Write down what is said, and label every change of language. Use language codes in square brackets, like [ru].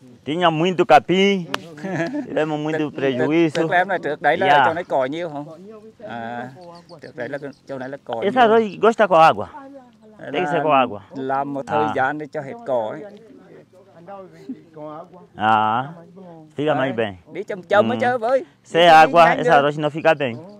[pt] Tinha muito capim, tivemos muito prejuízo. [vi] Trước đây là chỗ này cỏ nhiều không? Trước đây là chỗ này là cỏ. [pt] Esse arroz gosta com água? Tem que ser com água. [vi] Làm một thời gian để cho hết cỏ ấy. [pt] Fica mais bem. [vi] Đi chậm chậm mới chơi với. [pt] Sem água, esse arroz não fica bem.